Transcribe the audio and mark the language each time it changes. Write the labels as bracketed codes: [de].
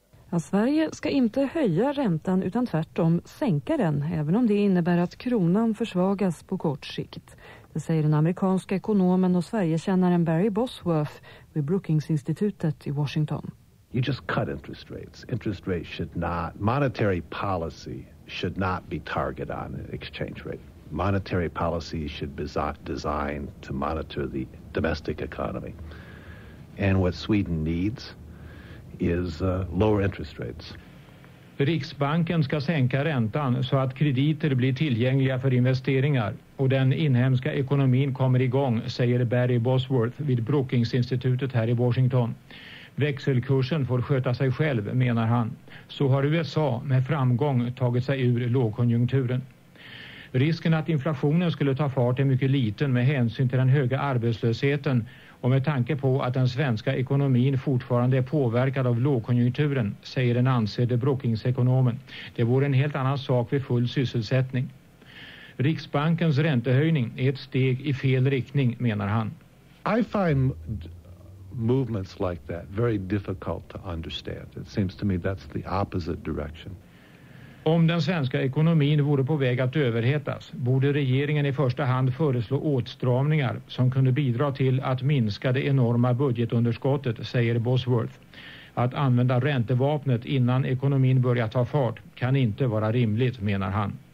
[sv] Ja, Sverige ska inte höja räntan utan tvärtom sänka den, även om det innebär att kronan försvagas på kort sikt. Det säger den amerikanska ekonomen och Sverigekännaren Barry Bosworth vid Brookings-institutet i Washington. [en] You just cut interest rates. Interest rates should not, monetary policy should not be targeted on exchange rate. Monetary policy should be designed to monitor the domestic economy. And what Sweden needs is lower interest rates. [sv] Riksbanken ska sänka räntan så att krediter blir tillgängliga för investeringar och den inhemska ekonomin kommer igång, säger Barry Bosworth vid Brookings-institutet här i Washington. Växelkursen får sköta sig själv, menar han. Så har USA med framgång tagit sig ur lågkonjunkturen. Risken att inflationen skulle ta fart är mycket liten med hänsyn till den höga arbetslösheten och med tanke på att den svenska ekonomin fortfarande är påverkad av lågkonjunkturen, säger den ansedde Brookings-ekonomen. Det vore en helt annan sak vid full sysselsättning. Riksbankens räntehöjning är ett steg i fel riktning, menar han. [en] I find movements like that very difficult to understand. It seems to me that's the opposite direction. [sv] Om den svenska ekonomin vore på väg att överhettas, borde regeringen i första hand föreslå åtstramningar som kunde bidra till att minska det enorma budgetunderskottet, säger Bosworth. Att använda räntevapnet innan ekonomin börjar ta fart kan inte vara rimligt, menar han.